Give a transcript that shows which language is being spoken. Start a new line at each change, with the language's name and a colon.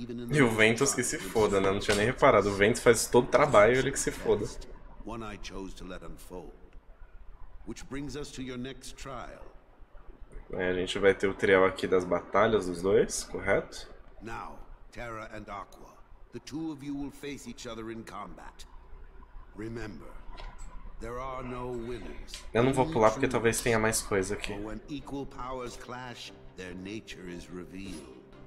Portuguese: E o Ventus que se foda, né? Não tinha nem reparado. O Ventus faz todo o trabalho, ele que se foda.
English: One I chose to let unfold. Which brings us to your next trial.
Portuguese: A gente vai ter o trial aqui das batalhas dos dois, correto?
English: Now, Terra and Aqua, the two of you will face each other in combat. Remember, there are no winners.
Portuguese: Eu não vou pular porque talvez tenha mais coisa aqui.
English: When equal powers clash, their nature is revealed.